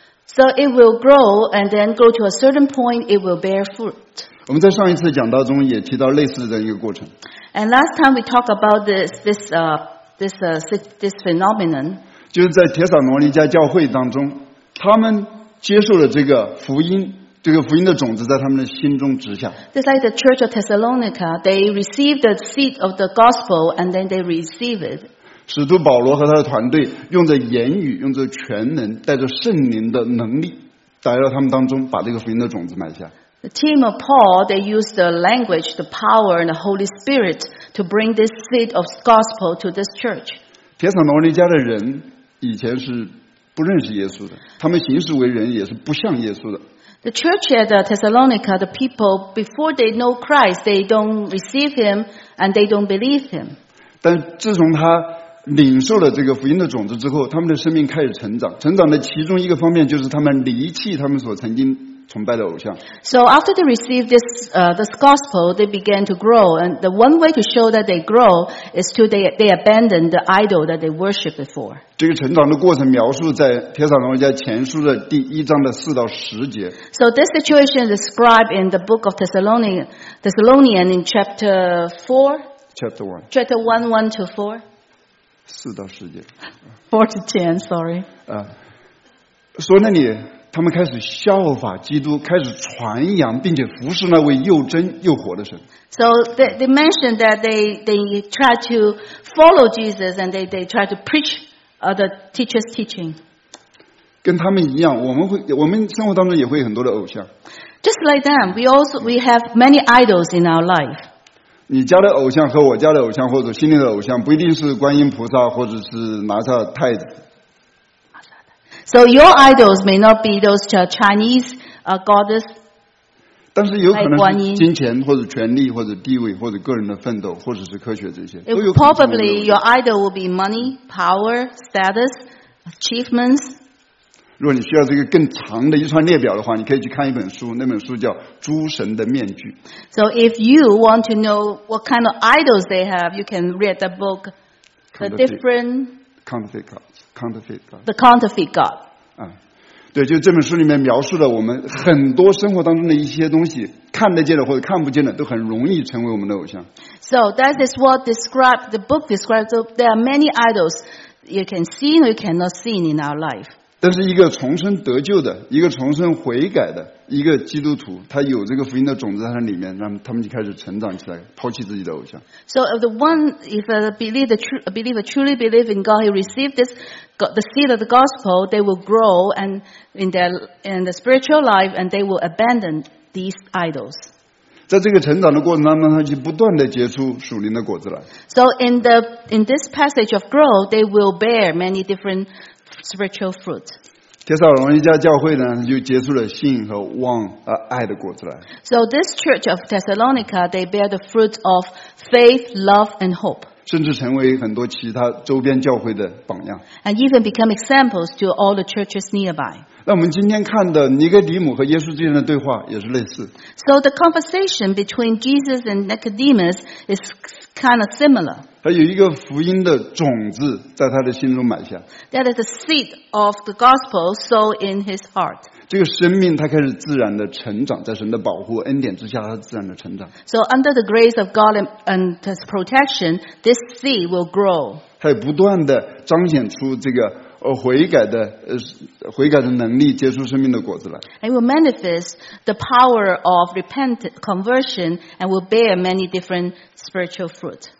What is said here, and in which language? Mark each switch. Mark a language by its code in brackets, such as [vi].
[en] So it will grow and then go to a certain point, it will bear fruit. [zh] 我们在上一次讲道中也提到类似的一个过程。 [en] And last time we talked about this phenomenon. [zh] 就是在帖撒罗尼迦教会当中，他们接受了这个福音，这个福音的种子在他们的心中植下。 [en] Just like the church of Thessalonica, they received the seed of the gospel and then they received it. [zh] 使徒保罗和他的团队用着言语，用着全能，带着圣灵的能力，来到他们当中，把这个福音的种子埋下。 [en] The team of Paul, they used the language, the power, and the Holy Spirit to bring this seed of gospel to this church. [zh] 帖撒罗尼迦的人以前是不认识耶稣的，他们行事为人也是不像耶稣的。 [en] The church at Thessalonica, the people before they know Christ, they don't receive him and they don't believe him. [zh] 但自从他领受了这个福音的种子之后，他们的生命开始成长。成长的其中一个方面就是他们离弃他们所曾经崇拜的偶像。 [en] So after they received this, this gospel, they began to grow. And the one way to show that they grow is to they abandon the idol that they worshipped before. [zh] 这个成长的过程描述在帖撒罗尼迦前书的第一章的四到十节。 [en] So this situation is described in the book of Thessalonians in chapter 4. Chapter 1. Chapter 1, 1 to 4. [zh] 四到十节 [en] ，four to ten, sorry. [zh] 说那里他们开始效法基督，开始传扬并且服侍那位又真又活的神。 [en] So they mentioned that they try to follow Jesus and they try to preach the teacher's teaching. [zh] 跟他们一样，我们生活当中也会很多的偶像。 [en] Just like them, we have many idols in our life. [zh] 你家的偶像和我家的偶像或者心里的偶像不一定是观音菩萨或者是拿撒太子。 [en] So your idols may not be those Chinese goddess. [zh] 但是有可能是金钱或者权力或者地位或者个人的奋斗或者是科学这些。 [en] Probably your idol will be money, power, status, achievements. [zh] 如果你需要这个更长的一串列表的话，你可以去看一本书，那本书叫《诸神的面具》。 [en] So if you want to know what kind of idols they have, you can read the book, the different counterfeit gods, counterfeit gods, the counterfeit god. [zh] 对，就这本书里面描述了我们很多生活当中的一些东西，看得见的或者看不见的，都很容易成为我们的偶像。 [en] So that is what describe the book describes. So there are many idols you can see or you cannot see in our life. [zh] 但是一个重生得救的，一个重生悔改的，一个基督徒，他有这个福音的种子在他里面，让他们就开始成长起来，抛弃自己的偶像。 [en] So if the one if a believer truly believe in God, he received this the seed of the gospel, they will grow and in their spiritual life, and they will abandon these idols. [zh] 在这个成长的过程当中，他就不断的结出属灵的果子来。 [en] So in this passage of growth, they will bear many different spiritual fruits. [zh] 帖撒罗尼迦教会呢，就结出了信和望和爱的果子来。 [en] So this church of Thessalonica, they bear the fruits of faith, love, and hope. [zh] 甚至成为很多其他周边教会的榜样。 [en] And even become examples to all the churches nearby. [zh] 那我们今天看的尼哥底母和耶稣之间的对话也是类似。 [en] So the conversation between Jesus and Nicodemus is kind of similar. [zh] 还有一个福音的种子在他的心中埋下。 [en] That is the seed of the gospel sown in his heart. [zh] 这个生命他开始自然的成长，在神的保护恩典之下，他自然的成长。 [en] So under the grace of God and his protection, this seed will grow. [zh] 他也不断的彰显出这个悔改的能力，结出生命的果子来。 [en] And will manifest the power of repentant conversion and will bear many different spiritual fruit.